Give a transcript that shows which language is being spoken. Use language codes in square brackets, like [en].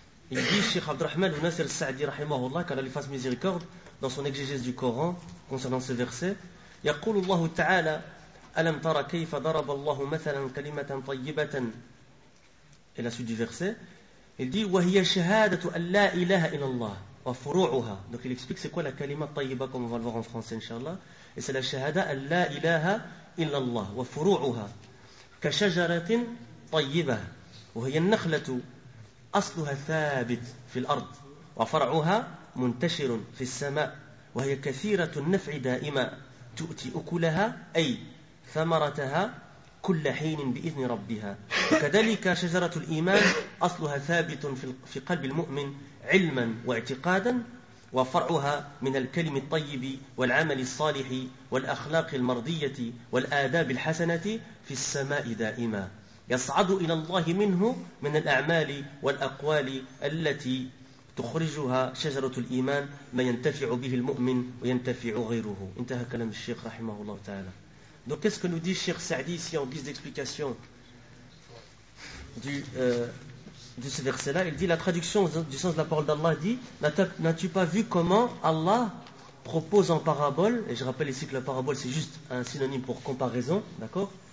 [fr] Il dit, Cheikh Abdurrahman ibn Nasser Saadi, rahimahullah, qu'Allah lui fasse miséricorde, dans son exégèse du Coran, concernant ce verset, « Yaqulullahu ta'ala, alam tara kayfa daraballahu mathalan kalimatan tayyibatan » et la suite du verset, il dit « Wa hiya shahadatu an la ilaha illallah wa furu'uha » donc il explique c'est quoi la kalima tayyiba, comme on va le voir en français, inshallah. [ar] Et c'est la shahada an la ilaha illallah wa furu'uha ka shajaratin tayyiba wa hiya an-nakhlatu asluha thabit fil ard wa far'uha muntashirun fis sama' wa hiya kathiratu an-naf'i da'ima tu'ti ukulaha ay thamarataha كل حين بإذن ربها كذلك شجرة الإيمان أصلها ثابت في قلب المؤمن علما واعتقادا وفرعها من الكلم الطيب والعمل الصالح والأخلاق المرضية والآداب الحسنة في السماء دائما يصعد إلى الله منه من الأعمال والأقوال التي تخرجها شجرة الإيمان ما ينتفع به المؤمن وينتفع غيره. انتهى كلام الشيخ رحمه الله تعالى. [fr] Donc, qu'est-ce que nous dit Cheikh Saadi ici en guise d'explication de ce verset-là? Il dit, la traduction du sens de la parole d'Allah dit, n'as-tu pas vu comment Allah propose en parabole, et je rappelle ici que la parabole c'est juste un synonyme pour comparaison, d'accord?